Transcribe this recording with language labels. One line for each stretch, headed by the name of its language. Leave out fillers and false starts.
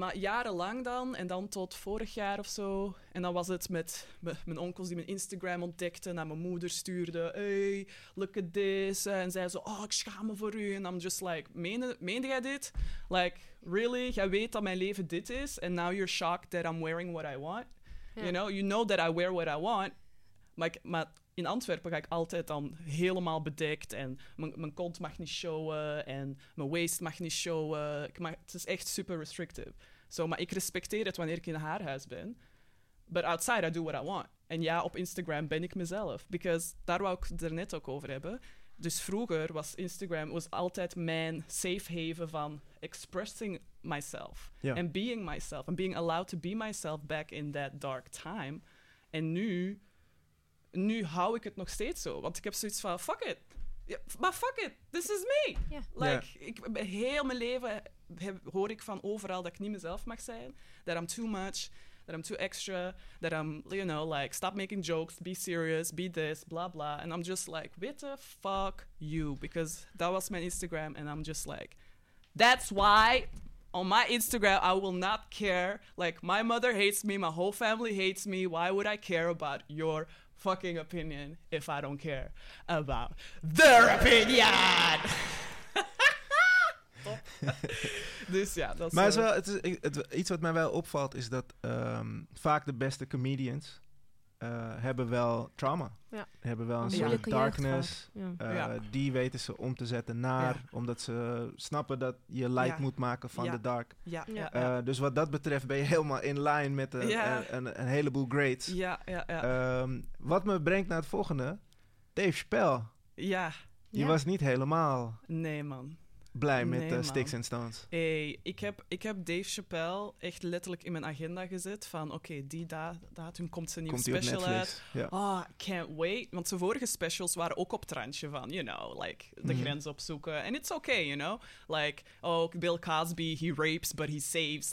Dutch: Maar jarenlang dan, en dan tot vorig jaar of zo. En dan was het met mijn onkels die mijn Instagram ontdekten, naar mijn moeder stuurden.
English: Hey, look at this.
Dutch: En zei zo, oh, ik schaam me voor u.
English: En I'm just like,
Dutch: meende jij dit?
English: Like, really?
Dutch: Jij weet dat mijn leven dit is.
English: And now you're shocked that I'm wearing what I want. Ja. You know that I wear what I want.
Dutch: Maar in Antwerpen ga ik altijd dan helemaal bedekt en mijn kont mag niet showen en mijn waist mag niet showen. Het is echt
English: super restrictive.
Dutch: So, maar ik respecteer het wanneer ik in haar huis ben.
English: But outside, I do what I want.
Dutch: En ja, op Instagram ben ik mezelf. Because daar wou ik het er net ook over hebben. Dus vroeger was Instagram altijd mijn safe haven van
English: expressing myself. Yeah. And being myself. And being allowed to be myself back in that dark time.
Dutch: En nu... Nu hou ik het nog steeds zo. Want ik heb zoiets van,
English: fuck it.
Dutch: Maar
English: fuck it, this is me.
Dutch: Yeah. Like, ik, heel mijn leven hoor ik van overal dat ik niet mezelf mag zijn.
English: That I'm too much, that I'm too extra, that I'm, you know, like, stop making jokes, be serious, be this, blah, blah. And I'm just like, what the fuck you? Because that was mijn Instagram and I'm just like, that's why on my Instagram I will not care. Like, my mother hates me, my whole family hates me. Why would I care about your fucking opinion if I don't care about their opinion.
Dutch: Dus ja, dat is. Maar is wel, het is, iets wat mij wel opvalt is dat vaak de beste comedians hebben wel trauma. Ja. Hebben wel een soort darkness. Ja. Die weten ze om te zetten naar, omdat ze snappen dat je light moet maken van de dark. Ja. Ja. Dus wat dat betreft ben je helemaal in line met een heleboel greats. Ja, ja, ja. Wat me brengt naar het volgende. Dave Chappelle. Ja. Je was niet helemaal blij met Sticks and Stones. Hey, ik heb Dave Chappelle echt letterlijk in mijn agenda gezet. Van oké, die datum komt zijn nieuwe special uit. Ja.
English: Oh, can't wait.
Dutch: Want zijn vorige specials waren ook op het randje van,
English: you know, like,
Dutch: de grens opzoeken.
English: And it's okay, you know. Like, oh, Bill Cosby, he rapes, but he saves.